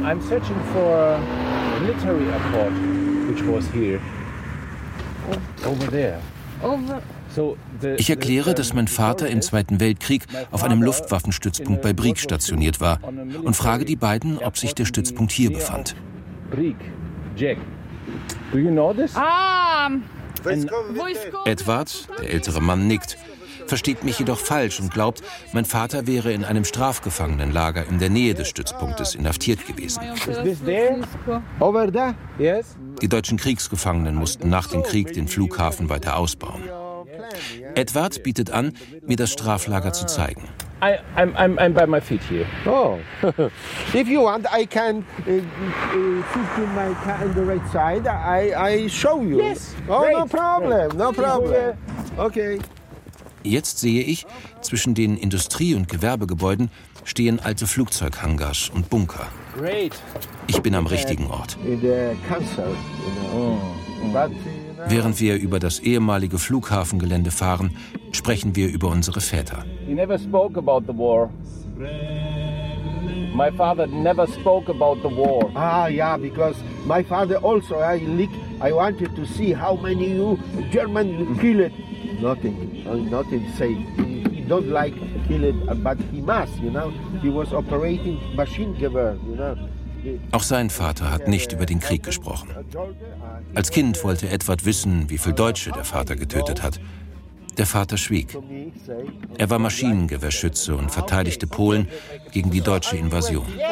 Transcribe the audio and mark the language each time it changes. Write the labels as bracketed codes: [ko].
[en] I'm searching for a military airport, which was here. Over there. Over. [de] Ich erkläre, dass mein Vater im Zweiten Weltkrieg auf einem Luftwaffenstützpunkt bei Brieg stationiert war und frage die beiden, ob sich der Stützpunkt hier befand. [en] Brieg, Jack, do you know this? [de] Edward, der ältere Mann, nickt, versteht mich jedoch falsch und glaubt, mein Vater wäre in einem Strafgefangenenlager in der Nähe des Stützpunktes inhaftiert gewesen. Die deutschen Kriegsgefangenen mussten nach dem Krieg den Flughafen weiter ausbauen. Edward bietet an, mir das Straflager zu zeigen. [en] I'm by my feet here. Oh, if you want, I can sit in my car on the right side. I show you. Yes. Oh, great. No problem. Okay. [de] Jetzt sehe ich, zwischen den Industrie- und Gewerbegebäuden stehen alte Flugzeughangars und Bunker. [en] Great. [de] Ich bin am richtigen Ort. [en] In the council, you know. Oh. But, [de] während wir über das ehemalige Flughafengelände fahren, sprechen wir über unsere Väter. [en] He never spoke about the war. My father never spoke about the war. Ah, yeah, because my father also, I wanted to see how many you German killed. Nothing safe. He don't like killed, but he must, you know. He was operating Maschinengewehr, you know. [de] Auch sein Vater hat nicht über den Krieg gesprochen. Als Kind wollte Edward wissen, wie viele Deutsche der Vater getötet hat. Der Vater schwieg. Er war Maschinengewehrschütze und verteidigte Polen gegen die deutsche Invasion.